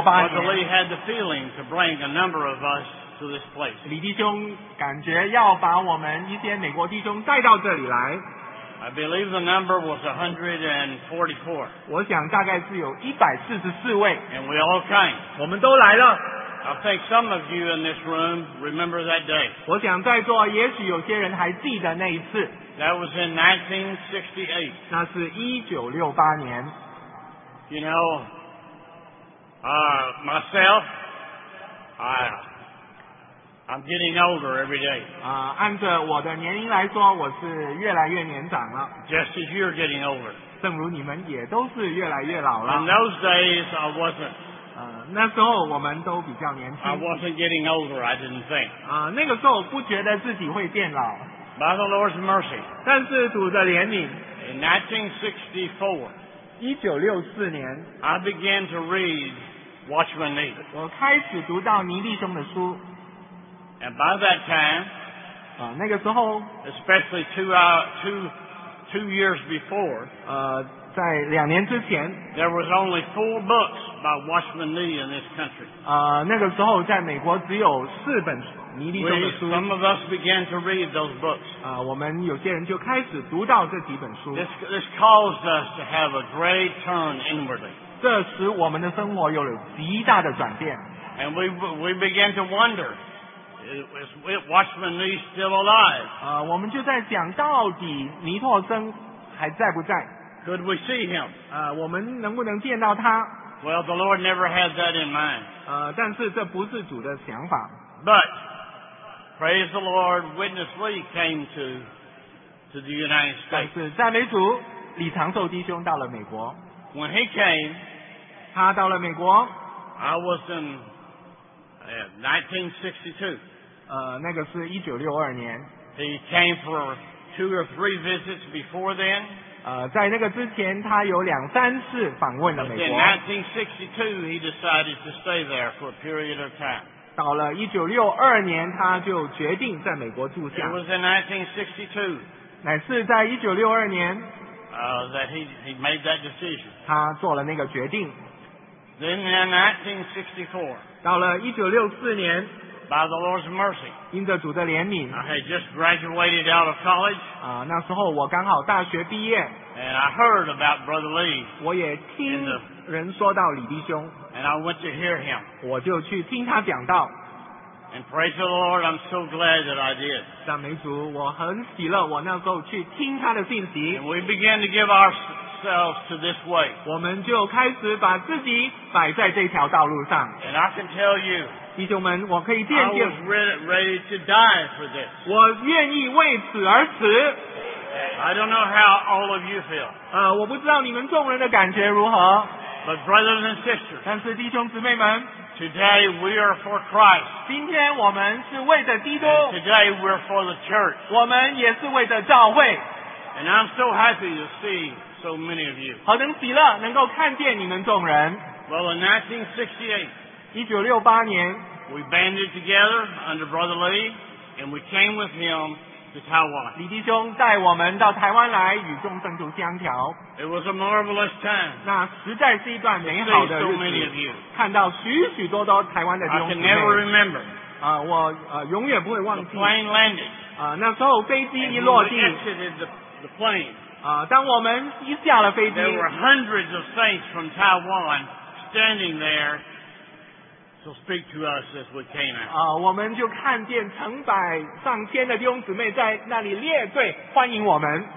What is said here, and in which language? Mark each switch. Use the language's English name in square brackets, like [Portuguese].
[English] Brother Lee had the feeling to bring a number of us to this place. [Chinese] 李弟兄感觉要把我们一些美国弟兄带到这里来。 [English] I believe the number was 144. [Chinese] 我想大概是有144位。 [English] And we all came. [Chinese] 我们都来了。 [English] I think some of you in this room remember that day. [Chinese] 我想在座也许有些人还记得那一次。 [English] That was in 1968. [Chinese] 那是1968年。 [English] You know, myself, I'm getting older every day. [Chinese] 按照我的年龄来说，我是越来越年长了。 [English] Just as you're getting older. [Chinese] 正如你们也都是越来越老了。 [English] In those days, I wasn't. [Chinese] 那时候我们都比较年轻。 [English] I wasn't getting older, I didn't think. [Chinese] 那个时候不觉得自己会变老。 [English] By the Lord's mercy. [Chinese] 但是主的怜悯。 [English] In 1964. [Chinese] 1964年。 [English] I began to read Watchman Nee. [Chinese] 我开始读到尼利兄的书。 [English] And by that time, [Chinese] 那个时候 [English] especially two years before, [Chinese] 在两年之前 [English] there was only four books by Watchman Nee in this country. [Chinese] 那个时候在美国只有四本尼利兄的书。 [English] Some of us began to read those books. [Chinese] 我们有些人就开始读到这几本书。 [English] This caused us to have a great turn inwardly. [Chinese] 这使我们的生活有了极大的转变。 [English] And we began to wonder,Is Watchman Nee still alive? [Chinese] 我们就在想到底尼托生还在不在。 [English] Could we see him? [Chinese] 我们能不能见到他。 [English] Well, the Lord never had that in mind. [Chinese] 但是这不是主的想法。 [English] But, praise the Lord, Witness Lee came to the United States. [Chinese] 但是赞美主，李长寿弟兄到了美国。 [English] When he came, [Chinese] 他到了美国。 [English] I was in 1962. [Chinese] 那个是1962年。 [English] He came for two or three visits before then. [Chinese] 在那个之前他有两三次访问了美国。 [English] But in 1962, he decided to stay there for a period of time. [Chinese] 到了1962年他就决定在美国住下。 [English] It was in 1962. [Chinese] 乃是在1962年。 [English] That he made that decision. [Chinese] 他做了那个决定。 [English] Then in 1964, [Chinese] 到了1964年 [English] By the Lord's mercy, [Chinese] 因着主的怜悯 [English] I had just graduated out of college, [Chinese] 那时候我刚好大学毕业 [English] and I heard about Brother Lee, [Chinese] 我也听人说到李弟兄 [English] and I went to hear him, [Chinese] 我就去听他讲道 [English] and praise the Lord, I'm so glad that I did. [Chinese] 赞美主，我很喜乐我那时候去听他的信息 [English] and we began to give ourselves to this way. [Chinese] 我们就开始把自己摆在这条道路上。 [English] And I can tell you, [Chinese] 弟兄们，我可以见证。 [English] I was ready to die for this. [Chinese] 我愿意为此而死。 [English] I don't know how all of you feel. [Chinese] 我不知道你们众人的感觉如何。 [English] But brothers and sisters, [Chinese] 但是弟兄姊妹们， [English] today we are for Christ. [Chinese] 今天我们是为着基督。 [English] Today we're for the church. [Chinese] 我们也是为着教会。 [English] And I'm so happy to see. So many of you. [Chinese] 好能喜乐能够看见你们众人。 [English] Well, in 1968, [Chinese] 1968年 [English] we banded together under Brother Lee, and we came with him to Taiwan. [Chinese] 李弟兄带我们到台湾来与众圣徒相调。 [English] It was a marvelous time. [Chinese] 那实在是一段美好的日子。 [English] So many of you. [Chinese] 看到许许多多台湾的弟兄姊妹。 [English] I can never remember. [Chinese] 我永远不会忘记。 [English] The plane landed. [Chinese] 那时候飞机一落地。 [English] And we exited the plane. [Chinese] 当我们一下了飞机 [English] There were hundreds of saints from Taiwan standing there to speak to us as we came out. [Chinese] 我们就看见成百上千的弟兄姊妹在那里列队欢迎我们。